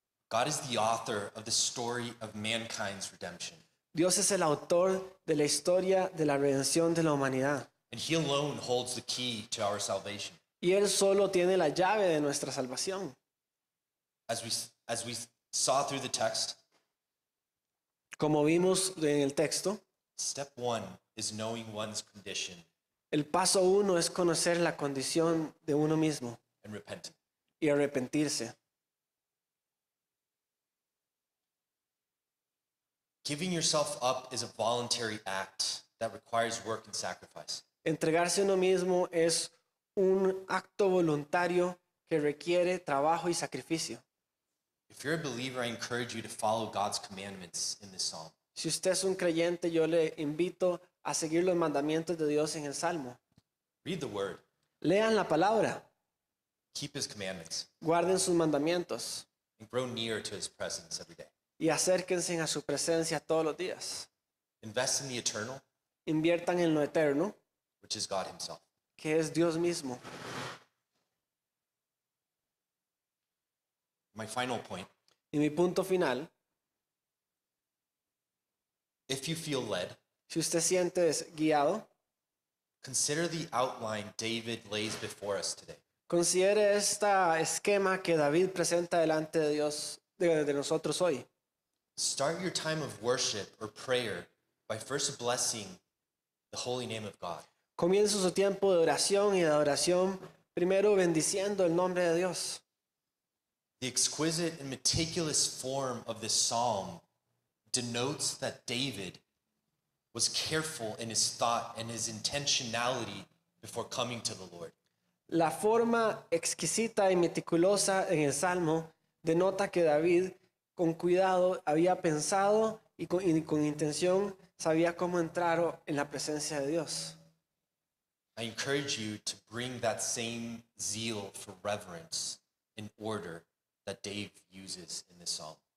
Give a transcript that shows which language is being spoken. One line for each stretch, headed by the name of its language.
English: God is the author of the story of mankind's redemption.
Spanish: Dios es el autor de la historia de la redención de la humanidad.
English: And he alone holds the key to our salvation.
Spanish: Y él solo tiene la llave de nuestra salvación.
English: As we saw through the text,
Spanish: como vimos en el texto,
English: step one is knowing one's condition.
Spanish: El paso uno es conocer la condición de uno mismo.
English: And repent.
Spanish: Y arrepentirse.
English: Giving yourself up is a voluntary act that requires work and sacrifice.
Spanish: Entregarse a uno mismo es un acto voluntario que requiere trabajo y sacrificio.
English: If you're a believer, I encourage you to follow God's commandments in this psalm.
Spanish: Si usted es un creyente, yo le invito a seguir los mandamientos de Dios en el Salmo.
English: Read the word.
Spanish: Lean la palabra.
English: Keep his commandments.
Spanish: Guarden sus mandamientos.
English: And grow near to his presence every day.
Spanish: Y acérquense a su presencia todos los días.
English: Invest in the eternal.
Spanish: Inviertan en lo eterno.
English: Which is God himself.
Spanish: Que es Dios mismo.
English: My final point.
Spanish: Y mi punto final.
English: If you feel led,
Spanish: si usted siente guiado,
English: consider the outline David lays before us today.
Spanish: Considere esta esquema que David presenta delante de Dios de nosotros hoy.
English: Start your time of worship or prayer by first blessing the holy name of God.
Spanish: Comience su tiempo de oración y de adoración primero bendiciendo el nombre de Dios.
English: The exquisite and meticulous form of this psalm denotes that David was careful in his thought and his intentionality before coming to the Lord.
Spanish: La forma exquisita y meticulosa en el Salmo denota que David con cuidado había pensado y con intención sabía cómo entrar en la presencia de Dios.
English: I encourage you to bring that same zeal for reverence in order that Dave uses in this psalm.